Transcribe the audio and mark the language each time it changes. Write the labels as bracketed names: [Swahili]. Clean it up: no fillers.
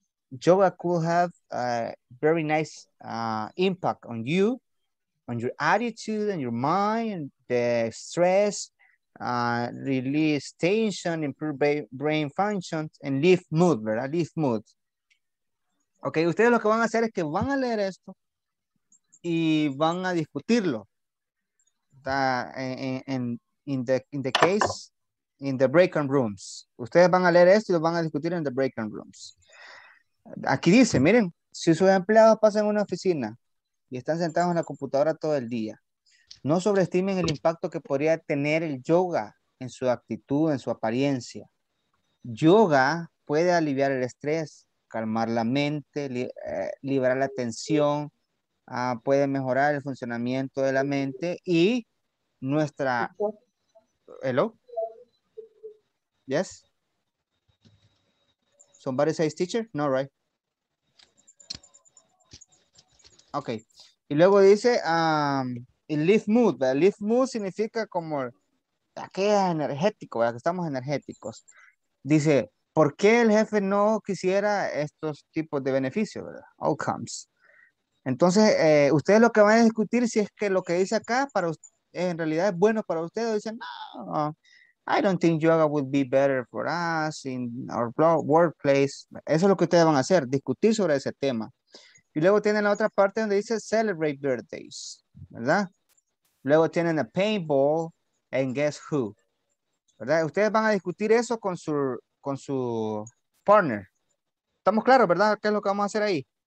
[English] Yoga could have a very nice impact on you, on your attitude and your mind, the stress, release tension, improve brain functions, and lift mood, [Spanish] ¿verdad? [English] Lift mood. [Spanish] Ok, ustedes lo que van a hacer es que van a leer esto y van a discutirlo. [English] In the case, in the break-in rooms. [Spanish] Ustedes van a leer esto y lo van a discutir en the break-in rooms. Aquí dice, miren, si sus empleados pasan una oficina y están sentados en la computadora todo el día, no sobreestimen el impacto que podría tener el yoga en su actitud, en su apariencia. Yoga puede aliviar el estrés, calmar la mente, liberar la tensión, puede mejorar el funcionamiento de la mente y nuestra... [English] Hello? Yes? Somebody says teacher? No, right? [Spanish] Ok. Y luego dice, lift mood. Lift mood significa como aquella energético, ¿verdad? Que estamos energéticos. Dice, ¿por qué el jefe no quisiera estos tipos de beneficios, verdad? Outcomes. Entonces, ustedes lo que van a discutir si es que lo que dice acá para en realidad es bueno para ustedes. Dicen, no, [English] I don't think yoga would be better for us in our workplace. [Spanish] Eso es lo que ustedes van a hacer, discutir sobre ese tema. Y luego tienen la otra parte donde dice celebrate birthdays, ¿verdad? Luego tienen a paintball and guess who, ¿verdad? Ustedes van a discutir eso con su partner. ¿Estamos claros, verdad? ¿Qué es lo que vamos a hacer ahí?